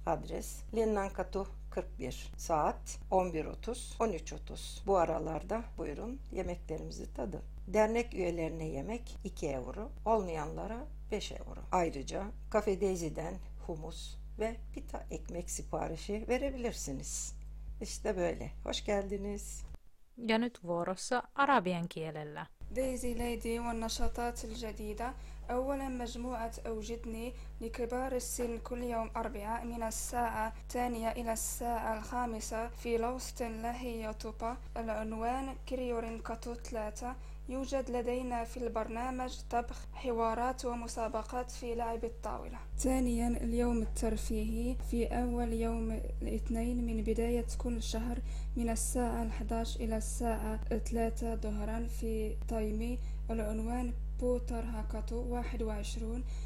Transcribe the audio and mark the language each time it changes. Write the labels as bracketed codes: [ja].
[tr] Adres Linnankatu 41. Saat 11.30-13.30. Bu aralarda buyurun yemeklerimizi tadın. Dernek üyelerine yemek 2 euro, olmayanlara 5 euro. Ayrıca Cafe Daisy'den humus ve pita ekmek siparişi verebilirsiniz. İşte böyle. Hoş geldiniz. [fi] Ja nyt vuorossa arabian kielellä. [ar] Daisy Lady والنشاطات الجديدة أولا مجموعة أوجدني لكبار السن كل يوم أربعاء من الساعة 2 إلى الساعة 5 في لوستن لاهي توبا العنوان كريورين كاتو 3 يوجد لدينا في البرنامج طبخ حوارات ومسابقات في لعب الطاولة ثانيا اليوم الترفيهي في أول يوم الاثنين من بداية كل شهر من الساعة 11 إلى الساعة 3 ظهرا في تايمي العنوان بوتر هاكاتو 21